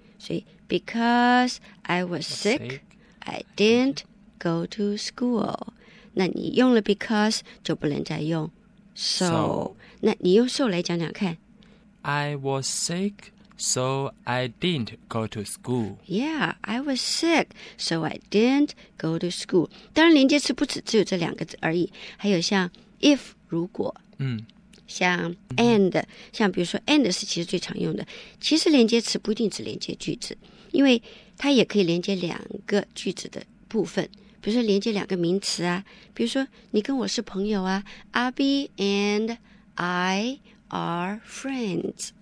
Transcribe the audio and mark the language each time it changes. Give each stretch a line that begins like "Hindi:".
Chinese: 所以
English: because I was sick， I didn't go to school。
Chinese: 那你用了 because 就不能再用 so。那你用 so 来讲讲看。
English: I was sick, so I didn't go to school. Yeah, I was sick, so I didn't go to school.
Chinese: 当然连接词不只有这两个字而已，还有像 if 如果，嗯，像 and，嗯，像比如说 and 是其实最常用的。其实连接词不一定只连接句子，因为它也可以连接两个句子的部分。比如说连接两个名词啊，比如说你跟我是朋友啊，
English: Abby and I are friends，